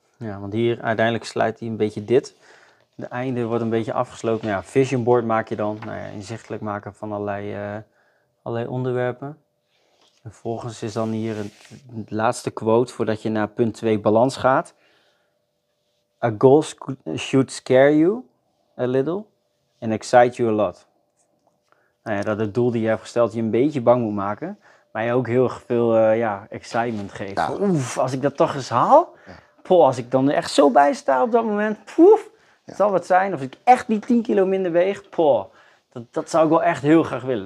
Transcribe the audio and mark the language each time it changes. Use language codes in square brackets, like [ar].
[nl] Ja, want hier uiteindelijk sluit hij een beetje dit. De einde wordt een beetje afgesloten. Ja, vision board maak je dan. Nou ja, inzichtelijk maken van allerlei onderwerpen. Vervolgens is dan hier het laatste quote voordat je naar punt 2 balans gaat. [en] A goal should scare you a little and excite you a lot. [nl] Nou ja, dat het doel die je hebt gesteld je een beetje bang moet maken, maar je ook heel erg veel excitement geeft. Ja. Oef, als ik dat toch eens haal, als ik dan echt zo bij sta op dat moment, het zal wat zijn. Of ik echt die 10 kilo minder weeg, dat zou ik wel echt heel graag willen.